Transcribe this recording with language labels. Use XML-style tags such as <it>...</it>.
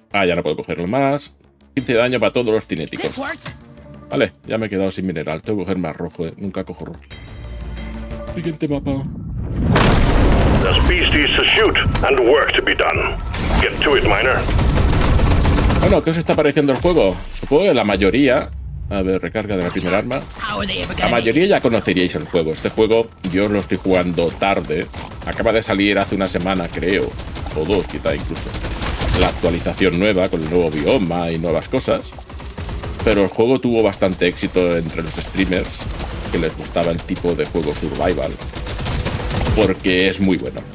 <es>Ah, ya no puedo cogerlo más. 15 de daño para todos los cinéticos. Vale, ya me he quedado sin mineral. Tengo que coger más rojo, ¿eh? Nunca cojo rojo. Siguiente mapa.</es> <en>There's beasties to shoot and work to be done. Get to it, miner.</en> <es>Bueno, ¿qué os está pareciendo el juego? Supongo que la mayoría... A ver, recarga de la primera arma. La mayoría ya conoceríais el juego. Este juego yo lo estoy jugando tarde. Acaba de salir hace una semana, creo. O dos, quizá incluso. La actualización nueva con el nuevo bioma y nuevas cosas. Pero el juego tuvo bastante éxito entre los streamers, que les gustaba el tipo de juego survival, porque es muy bueno.</es>